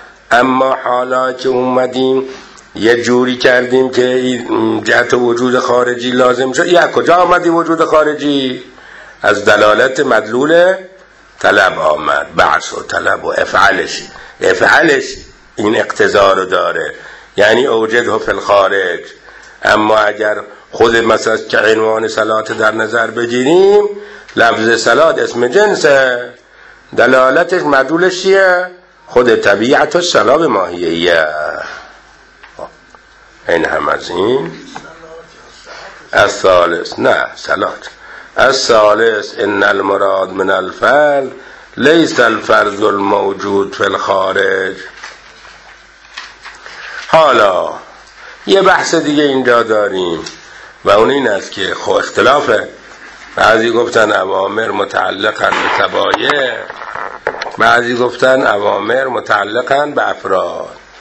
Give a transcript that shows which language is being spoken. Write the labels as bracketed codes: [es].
[fa] اما حالا که اومدیم یه جوری کردیم که جهت وجود خارجی لازم شد، یه کجا آمدی وجود خارجی؟ از دلالت مدلول طلب آمد، بعث و طلب و افعالش، افعالش این اقتضا رو داره، یعنی [ar] اوجد و فلخارج. [fa] اما اگر خود مثلا که عنوان صلات در نظر بگیریم، لفظ صلات اسم جنسه، دلالتش مدلولش چیه؟ خود طبیعت و صلاب ماهیه. این هم از این [ar] الثالث، نه صلات الثالث، ان المراد من الفرد ليس الفرد الموجود في الخارج. [fa] حالا یه بحث دیگه اینجا داریم و اون این است که خو اختلافه. بعضی گفتن اوامر متعلقن به طبایع، بعضی گفتن اوامر متعلقن به افراد.